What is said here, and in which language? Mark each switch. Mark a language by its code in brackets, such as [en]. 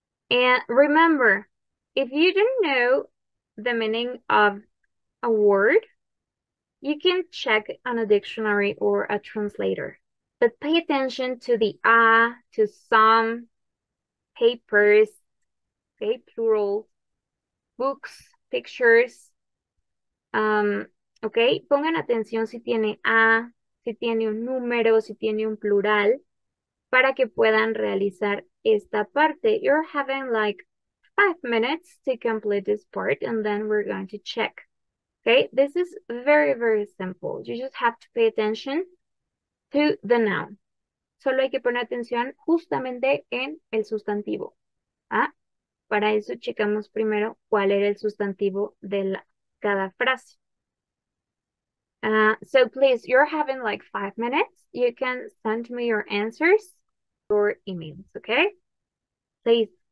[en] And remember, if you don't know the meaning of a word, you can check on a dictionary or a translator. But pay attention to the to some, papers, okay, plural, books, pictures. [es] Okay, pongan atención si tiene a, si tiene un número, si tiene un plural, para que puedan realizar esta parte. [en] You're having like 5 minutes to complete this part and then we're going to check. Okay, this is very, very simple. You just have to pay attention to the noun. [es] Solo hay que poner atención justamente en el sustantivo. ¿Ah? Para eso checamos primero cuál era el sustantivo de la cada frase. [en] So please, you're having like 5 minutes. You can send me your answers, your emails, okay? Please.